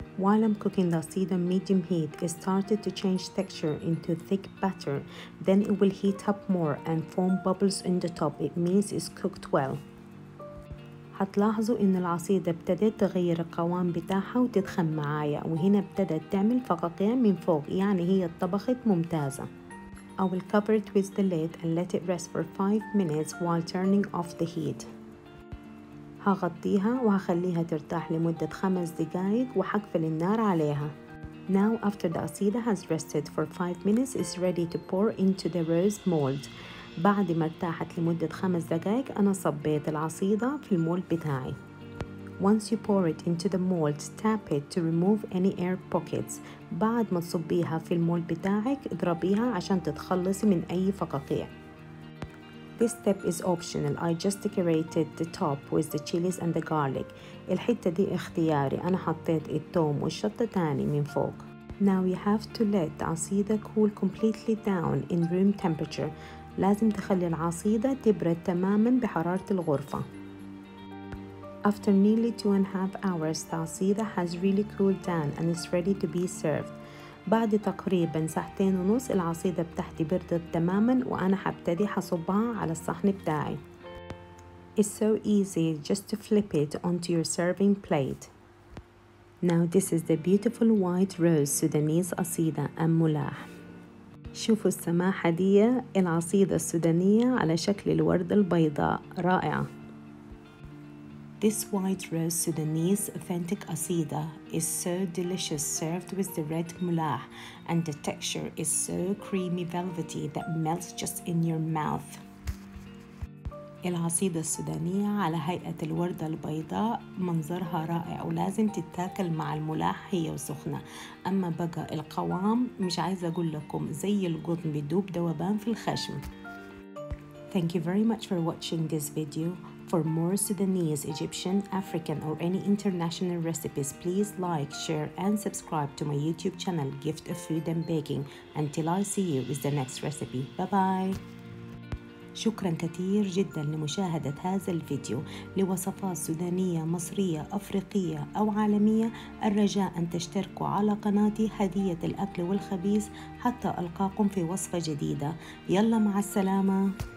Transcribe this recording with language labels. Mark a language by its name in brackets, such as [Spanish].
[English] While I'm cooking the asida medium heat, it started to change texture into thick batter. Then it will heat up more and form bubbles in the top. It means it's cooked well. [Arabic] هتلاحظوا إن العصيدة ابتدت تغير القوام بتاعها وتتخن معايا, وهنا ابتدت تعمل فقاقيع من فوق, يعني هي طبخت ممتازة. [English] I will cover it with the lid and let it rest for 5 minutes while turning off the heat. [Arabic] هغطيها وهخليها ترتاح لمدة 5 دقائق وحقفل النار عليها. [English] Now after the asida has rested for 5 minutes, it's ready to pour into the rose mold. [Arabic] بعد ما ارتاحت لمدة 5 دقائق, أنا صبيت العصيدة في المولد بتاعي. [English] Once you pour it into the mold, tap it to remove any air pockets. [Arabic] بعد ما تصبيها في المولد بتاعك, اضربيها عشان تتخلصي من أي فقاقيع. [English] This step is optional. I just decorated the top with the chilies and the garlic. [Arabic] الحتة دي اختياري, أنا حطيت الثوم والشطة تاني من فوق. [English] Now you have to let the asida cool completely down in room temperature. [Arabic] لازم تخلي العصيدة تبرد تماما بحرارة الغرفة. [English] After nearly 2.5 hours, the asida has really cooled down and is ready to be served. [Arabic] بعد تقريبا ساعتين ونص العصيدة بتاعتي بردت تماما وأنا حبتدي حصبها على الصحن بتاعي. [English] It's so easy just to flip it onto your serving plate. Now this is the beautiful white rose Sudanese asida and mulah. [Arabic] شوفوا السماحة دي العصيدة السودانية على شكل الورد البيضاء رائعة. [English] This white rose Sudanese authentic asida is so delicious served with the red mulah and the texture is so creamy velvety that melts just in your mouth. [Arabic] العصيدة السودانية على هيئة الوردة البيضاء منظرها رائع ولازم تتاكل مع الملاح هي وسخنة أما بقى القوام مش عايزة أقول لكم زي القطن بيدوب دوبان في الخشم. [English] Thank you very much for watching this video. For more Sudanese, Egyptian, African or any international recipes, please like, share and subscribe to my YouTube channel Gift of Food and Baking. Until I see you with the next recipe. Bye bye. [Arabic] شكرا كثير جدا لمشاهدة هذا الفيديو. لوصفات سودانية مصرية أفريقية أو عالمية الرجاء أن تشتركوا على قناتي هدية الأكل والخبيز حتى ألقاكم في وصفة جديدة. يلا مع السلامة.